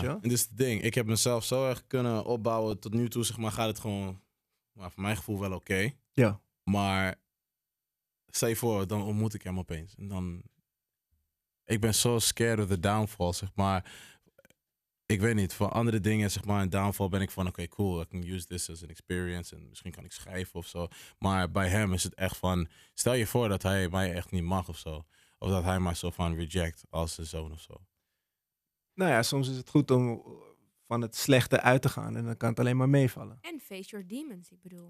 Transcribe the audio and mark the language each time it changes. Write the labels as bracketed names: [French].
[Dutch] En dit is het ding. Ik heb mezelf zo erg kunnen opbouwen. Tot nu toe, zeg maar, gaat het gewoon... Maar voor mijn gevoel wel oké. Okay. Ja. Maar... Stel je voor, dan ontmoet ik hem opeens. En dan... Ik ben zo [English] scared of the downfall, [Dutch] zeg maar. Ik weet niet. Voor andere dingen, zeg maar, een downfall ben ik van... [English] Oké, cool. I can use this as an experience. [Dutch] En misschien kan ik schrijven of zo. Maar bij hem is het echt van... Stel je voor dat hij mij echt niet mag of zo. Of dat hij mij zo van reject als zijn zoon of zo. Nou ja, soms is het goed om van het slechte uit te gaan. En dan kan het alleen maar meevallen. En [English] face your demons, [Dutch] ik bedoel.